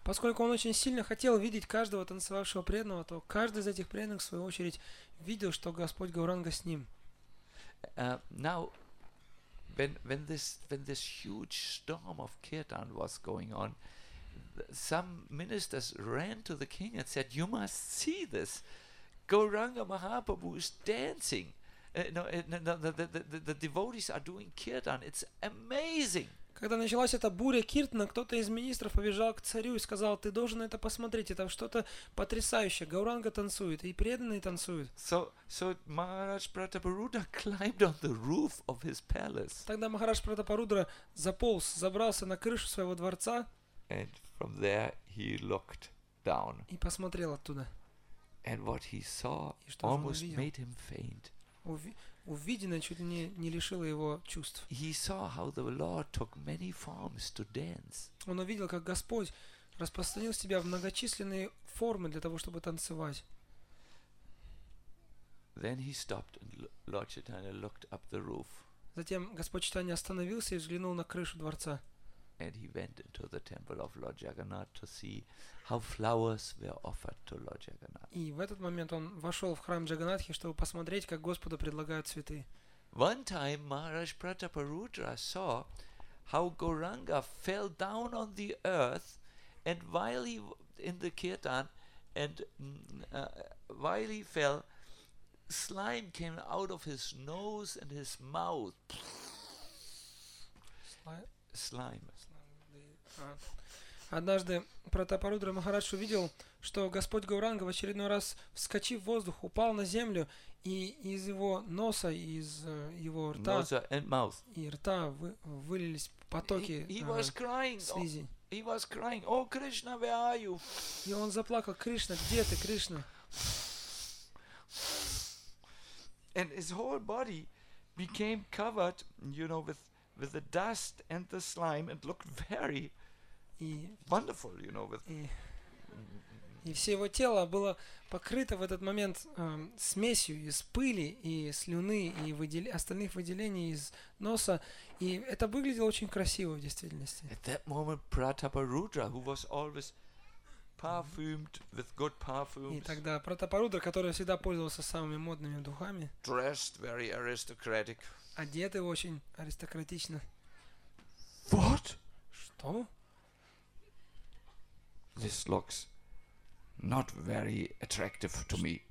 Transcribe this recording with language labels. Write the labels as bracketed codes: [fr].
[ru] Поскольку он очень сильно хотел видеть каждого танцевавшего преданного, то каждый из этих преданных в свою очередь видел, что Господь Гауранга с ним. [en] Now, when this huge storm of kirtan was going on, some ministers ran to the king and said, "You must see this. Gauranga Mahaprabhu is dancing. The devotees are doing kirtan. It's amazing." [ru] Когда началась эта буря киртана, кто-то из министров побежал к царю и сказал: "Ты должен это посмотреть, это что-то потрясающее. Гауранга танцует, и преданные танцуют." [en] So Maharaj Prataparudra climbed on the roof of his palace. [ru] Тогда Махарадж Пратапарудра забрался на крышу своего дворца. [en] And from there he looked down. [ru] И посмотрел оттуда. [en] And what he saw almost made him faint. [ru] Увиденное чуть ли не лишило его чувств. [en] He saw how the Lord took many forms to dance. [ru] Он увидел, как Господь распространил себя в многочисленные формы для того, чтобы танцевать. [en] Then he stopped and Lord Chaitanya looked up the roof. [ru] Затем Господь Чайтанья остановился и взглянул на крышу дворца. [en] and he went into the temple of Lord Jagannath to see how flowers were offered to Lord Jagannath. [ru] И в этот момент он вошел в храм Джаганатхи, чтобы посмотреть, как Господу предлагают цветы. [en] One time Maharaj Prataparudra saw how Gauranga fell down on the earth, and while he in the kirtan, and while he fell, slime came out of his nose and his mouth. Slime. [ru] Однажды Пратапарудра Махарадж увидел, что Господь Гауранга в очередной раз, вскочив в воздух, упал на землю, и из его носа, из его рта, и рта вылились потоки слизи. [en] He was crying, oh, Krishna, where are you? [ru] И он заплакал, Кришна, где ты, Кришна? [en] And his whole body became covered, you know, with the dust and the slime, and looked very wonderful, you know, with. [ru] И все его тело было покрыто в этот момент смесью из пыли и слюны и остальных выделений из носа, и это выглядело очень красиво в действительности. [en] At that moment, Prataparudra, who was always perfumed with good perfumes, [ru] и тогда Пратапарудра, который всегда пользовался самыми модными духами, [en] dressed very aristocratic, [ru] одетый очень аристократично. [en] What? [ru] Что? [en] This looks not very attractive to me.